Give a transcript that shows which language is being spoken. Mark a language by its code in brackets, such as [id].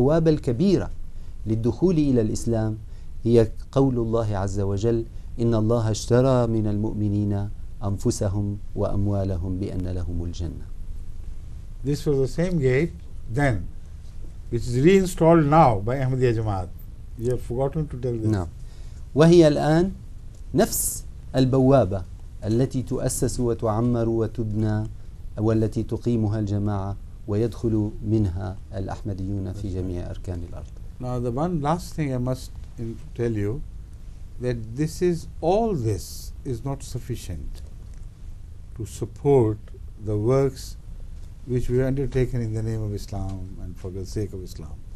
[ar] الكبيرة للدخول إلى الإسلام هي قول الله عز وجل إن الله اشترى من المؤمنين أنفسهم وأموالهم بأن لهم الجنة. [en] This was the same gate then, which is reinstalled now by Ahmadiyya Jamaat. You have forgotten to tell this. [ar] نعم. وهي الآن نفس البوابة التي تؤسس وتعمر وتبنى والتي تقيمها الجماعة ويدخل منها الأحمديون في جميع أركان الأرض. [en] Now the one last thing I must tell you that this is all this is not sufficient. To support the works which we undertaken in the name of Islam and for the sake of Islam.